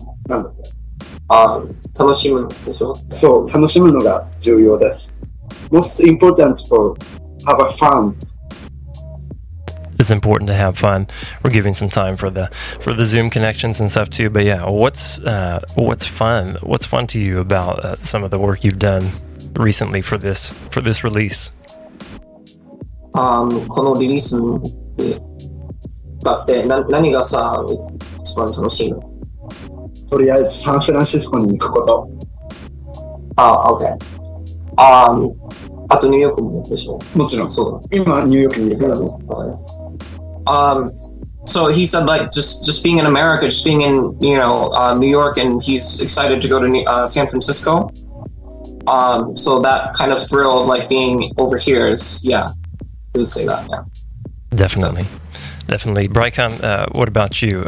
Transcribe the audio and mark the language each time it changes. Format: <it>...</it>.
<en>So</en> <ja>楽しむのが重要です。</ja> <en>Most important for have a fun. it's important to have fun. We're giving some time for the Zoom connections and stuff too. But yeah, what's fun to you about some of the work you've done recently for this release?</en> <ja>このリリースにだって何がさ一番楽しいの？とりあえずサンフランシスコに行くこと。あ、OK。あとニューヨークもでしょ？もちろん。そう。今ニューヨークにいるからね。</ja> <en>So he said like just being in America, just being in you know New York, and he's excited to go to San Francisco. So that kind of thrill of like being over here is yeah. Would say that, yeah. Definitely. So. Definitely. Brycon, what about you?</en>